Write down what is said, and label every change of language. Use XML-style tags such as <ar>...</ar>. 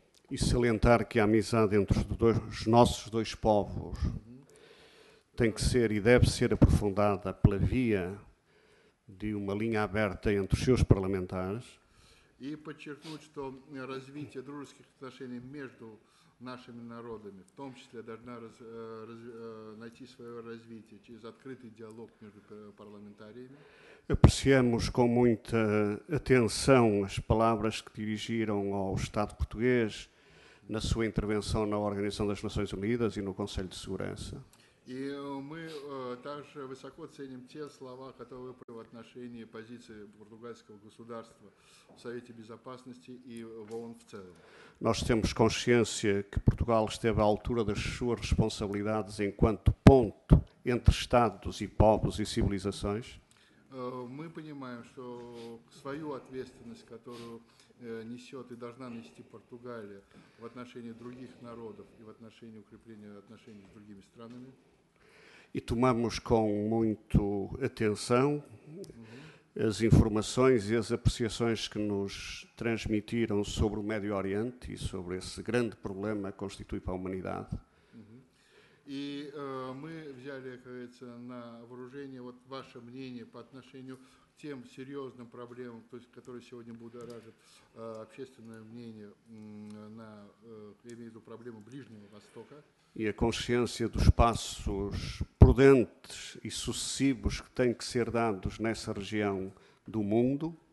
<pt>E salientar que a amizade entre os nossos dois povos tem que ser e deve ser aprofundada pela via de uma linha aberta entre os seus parlamentares. E para destacar que o desenvolvimento dos relações entre</pt> <ru>нашими народами, в том числе должна найти свое развитие через открытый диалог между парламентариями.</ru> <pt>Apreciamos com muita atenção as palavras que dirigiram ao Estado português na sua intervenção na Organização das Nações Unidas e no Conselho de Segurança.</pt> <ru>E мы также высоко ценим те слова, которые вы в отношении позиции португальского государства в Совете Безопасности и в ООН в целом.</ru> <pt>Nós temos consciência que Portugal esteve à altura das suas responsabilidades enquanto ponto entre Estados e povos e civilizações.</pt> <ru>Мы понимаем, что свою ответственность, которую несет и должна нести Португалия в отношении других народов и в отношении укрепления отношений с другими странами.</ru> <pt>И tomamos com muito atenção as informações e as apreciações que nos transmitiram sobre o Médio Oriente e sobre esse grande problema que constitui para a humanidade.</pt> <ru>И мы взяли, как говорится, на вооружение вот ваше мнение по отношению к тем серьезным проблемам, то есть, которые сегодня будоражат общественное мнение на, я имею в виду, проблемы Ближнего Востока.</ru> <pt>И a consciência dos passos prudentes и sucessivos que têm que ser dados nessa região do mundo.</pt>